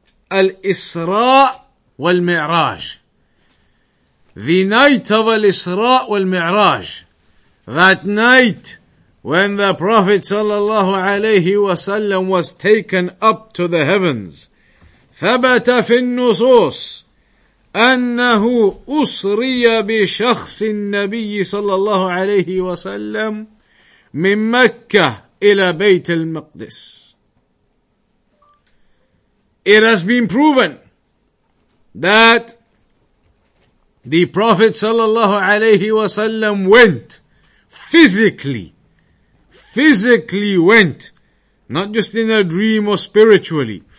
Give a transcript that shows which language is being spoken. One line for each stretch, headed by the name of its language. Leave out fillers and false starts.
English: Al-Isra wal-Mi'raj. The night of Al-Isra wal-Mi'raj. That night when the Prophet
Arabic: sallallahu alayhi wa sallam
English: was taken up to the heavens.
Arabic: ثبت في النصوص أنه أسري بشخص النبي صلى الله عليه وسلم من مكة إلى بيت المقدس.
English: It has been proven that the Prophet
Arabic: صلى الله عليه وسلم
English: went physically went, not just in a dream or spiritually.